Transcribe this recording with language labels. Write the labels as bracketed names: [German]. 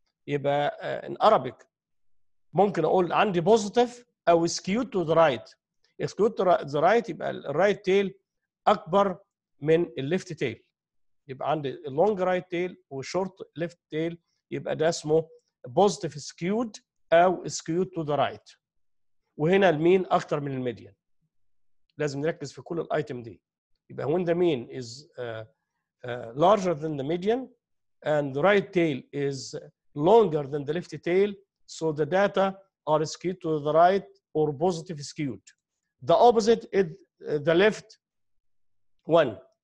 [English] In Arabic, [Arabic] ممكن أقول عندي [English] positive أو skewed to the right. Skewed to the right, يبقى right tail [Arabic] أكبر من [English] left tail. يبقى عندي long right tail وshort left tail. [Arabic] يبقى ده اسمه [English] positive skewed أو skewed to the right. [Arabic] وهنا المين أكتر من الميديان. لازم نركز في كل الايتم دي. [English] يبقى when the mean is larger than the median and the right tail is longer than the left tail, so the data are skewed to the right or positive skewed. The opposite is the left one.